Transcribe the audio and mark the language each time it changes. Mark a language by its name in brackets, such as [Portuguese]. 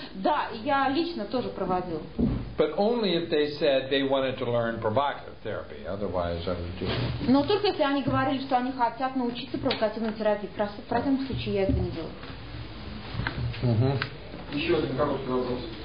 [Russian] Да, я лично тоже проводил. [English] But only if they said they wanted to learn provocative therapy. Otherwise, I would do it. [Russian] Но только если они говорили, что они хотят научиться провокативной терапии. В противном случае я это не делаю. Угу. Еще один короткий вопрос.